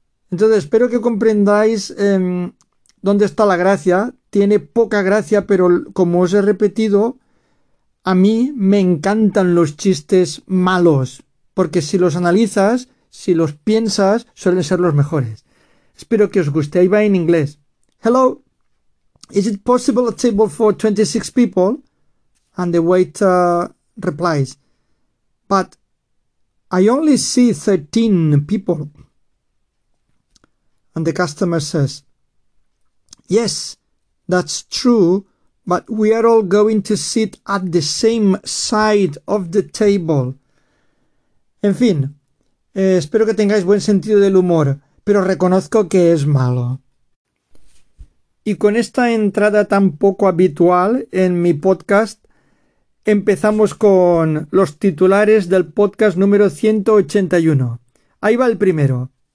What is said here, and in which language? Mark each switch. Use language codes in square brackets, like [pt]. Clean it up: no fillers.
[es] Entonces, espero que comprendáis dónde está la gracia. Tiene poca gracia, pero como os he repetido, a mí me encantan los chistes malos, porque si los analizas, si los piensas, suelen ser los mejores. Espero que os guste. Ahí va en inglés. [en] Hello, is it possible a table for 26 people? And the waiter replies, but I only see 13 people. And the customer says, yes. That's true, but we are all going to sit at the same side of the table. [es] En fin, espero que tengáis buen sentido del humor, pero reconozco que es malo. Y con esta entrada tan poco habitual en mi podcast, empezamos con los titulares del podcast número 181. Ahí va el primero.